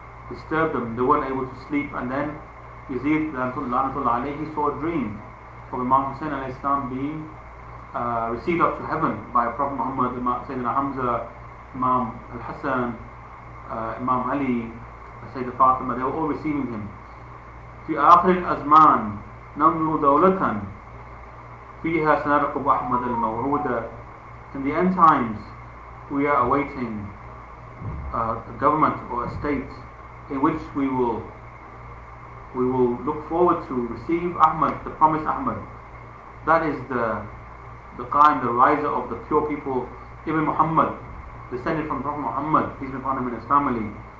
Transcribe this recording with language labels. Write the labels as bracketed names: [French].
[English] Disturbed them, they weren't able to sleep, and then Yazid he saw a dream of Imam Hussein alayhi salam being received up to heaven by Prophet Muhammad, Sayyidina Hamza, Imam Al-Hasan, Imam Ali, Sayyidina Fatima, they were all receiving him. [Arabic] في آخر الأزمان نملو دولة فيها سنرقب أحمد الموعودة. [English] In the end times, we are awaiting a government or a state in which we will look forward to receive Ahmad, the promised Ahmad. That is the Qa'im, the riser of the pure people, Ibn Muhammad, descended from Prophet Muhammad, peace be upon him and his family.